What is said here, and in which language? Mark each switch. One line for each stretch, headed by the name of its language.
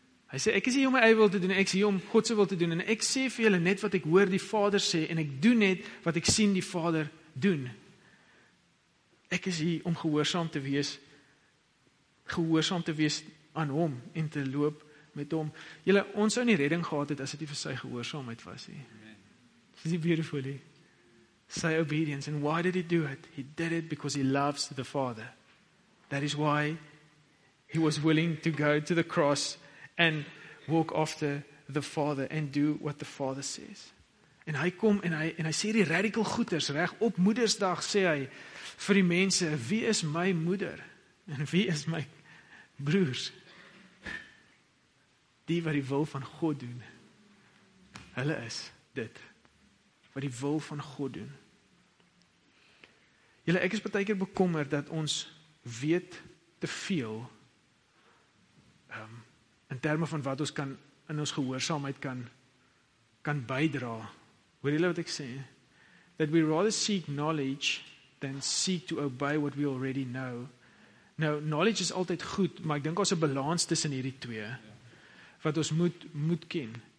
Afrikaans: Hy sê, ek is hier om my eie wil te doen, ek is hier om God se wil te doen. En ek sê vir julle net wat ek hoor die Vader sê, en ek doen net wat ek sien die Vader doen. Ek is hier om gehoorsaam te wees aan hom en te loop met hom. Julle, ons sou nie redding gehad het as dit nie vir sy gehoorsaamheid was nie.
English: Dis beautiful, hè? Sy obedience. And why did he do it? He did it because he loves the Father. That is why he was willing to go to the cross and walk after the Father and do what the Father says.
Afrikaans: En hy kom en hy sê die radical goeders, reg, op Moedersdag sê hy vir die mense, wie is my moeder? En wie is my broers? Die wat die wil van God doen. Hulle is dit. Wat die wil van God doen. Julle, ek is baie keer bekommer dat ons weet te veel in terme van wat ons kan in ons gehoorsaamheid kan bydra. Hoor julle wat ek sê?
English: That we rather seek knowledge then seek to obey what we already know.
Afrikaans: Nou, knowledge is altyd goed, maar ek dink ons 'n balans tussen hierdie twee, wat ons moet ken.